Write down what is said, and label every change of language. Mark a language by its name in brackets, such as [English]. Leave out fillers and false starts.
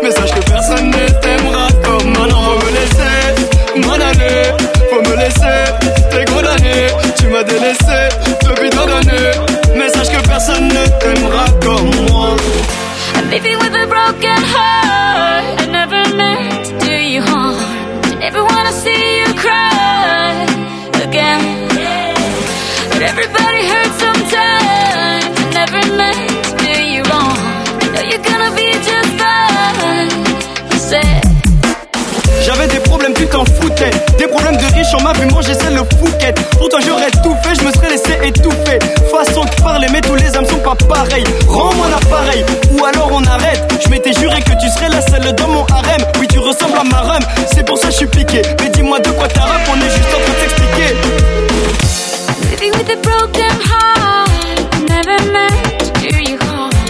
[French] Mais sache que personne ne t'aimera comme moi. Non, me laisser, m'en aller. Faut me laisser, t'es condamné. Tu m'as délaissé depuis tant d'années. Mais sache que personne ne t'aimera comme moi. [English] I'm living with a broken heart. I never meant to do you harm. I never wanna see you cry again. But everybody hurts sometimes. I never meant to do you wrong. I know you're gonna be just fine. You said. [French] J'avais des problèmes, tu t'en foutais. Des problèmes de riche, on m'a vu manger, c'est le Phuket. Pour toi j'aurais tout fait, je me serais laissé étouffer. Façon de parler, mais tous les hommes sont pas pareils. Rends-moi l'appareil, ou alors on arrête. Je m'étais juré que tu serais la seule dans mon harem. Oui tu ressembles à ma rhum, c'est pour ça je suis piqué. Mais dis-moi de quoi t'as rap, on est juste en train de t'expliquer. [English] Living with a broken heart, I never meant to do you harm.